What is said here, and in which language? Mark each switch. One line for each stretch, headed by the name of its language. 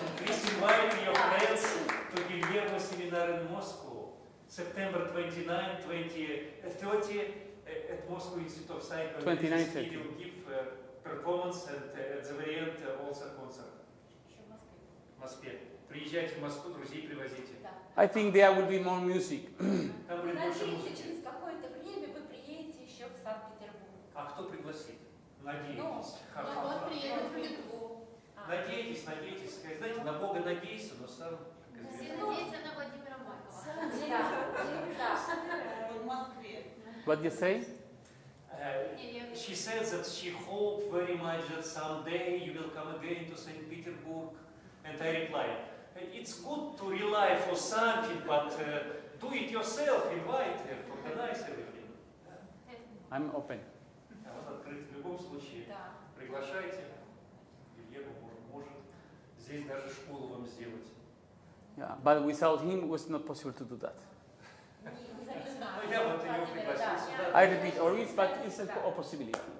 English: And please invite your friends to Guillermo seminar in Moscow, September 29th, 30th, at Moscow Institute of Science. 29th. He will give a performance and at the very end also concert. Moscow.
Russian: Приезжайте в Москву, друзей привозите.
English: I think there will be more music.
Russian: Там будет больше музыки. Через какое-то время вы приедете еще в Санкт-Петербург. А кто пригласит? Надеетесь. Ну, вот он приедет в Литву. Надейтесь. Знаете, на Бога надейся, но сам... Надейся на Владимира Майкова. Да. В Москве.
English: What do you say? She said that she hoped very much that someday you will come again to St. Petersburg. And I replied, it's good to rely for something, but do it yourself, invite her, organize everything. I'm open.
Russian: А вот открыт в любом случае. Приглашайте. Ельеву может. Здесь даже школу вам сделать.
English: Yeah, but without him it was not possible to do that.
Russian: Ну я вот его пригласил сюда.
English: I repeat, or is, but it's a possibility.